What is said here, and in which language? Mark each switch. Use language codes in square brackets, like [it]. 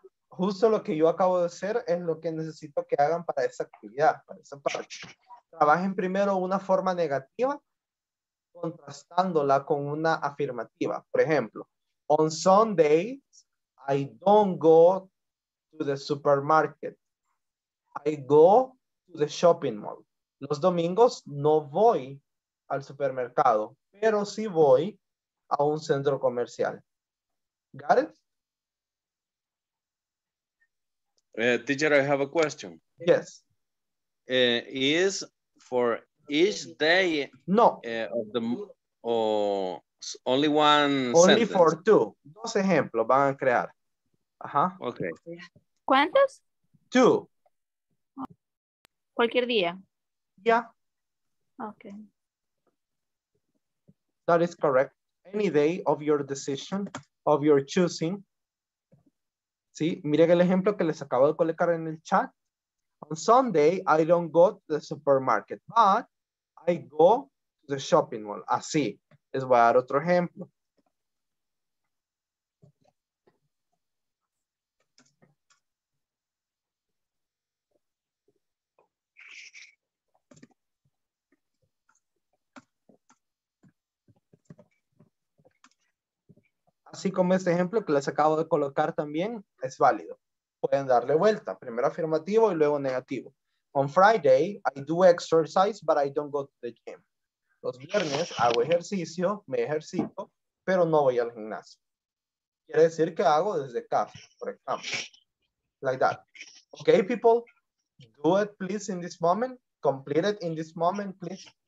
[es] Justo lo que yo acabo de hacer es lo que necesito que hagan para esa actividad, para esa parte. Trabajen primero una forma negativa, contrastándola con una afirmativa. Por ejemplo, [en] on Sundays, I don't go to the supermarket. I go to the shopping mall. [es] Los domingos no voy al supermercado, pero sí voy a un centro comercial. [en] Got it? Teacher, I have a question. Yes. Is for each day? No. Of the, oh, only one only sentence. For two. [es] Dos ejemplos van a crear. Ajá. [en] Okay. [es] ¿Cuántos? [en] Two. [es] Cualquier día. [en] Yeah. Okay. That is correct. Any day of your decision, of your choosing. [es] Sí, miren el ejemplo que les acabo de colocar en el chat. [en] On Sunday, I don't go to the supermarket, but I go to the shopping mall. [es] Así, les voy a dar otro ejemplo. así como este ejemplo que les acabo de colocar también, es válido. Pueden darle vuelta. Primero afirmativo y luego negativo. [en] On Friday, I do exercise, but I don't go to the gym. [es] Los viernes hago ejercicio, me ejercito, pero no voy al gimnasio. Quiere decir que hago desde casa, por ejemplo. [en] Like that. Okay, people, do it please in this moment. Complete it in this moment, please.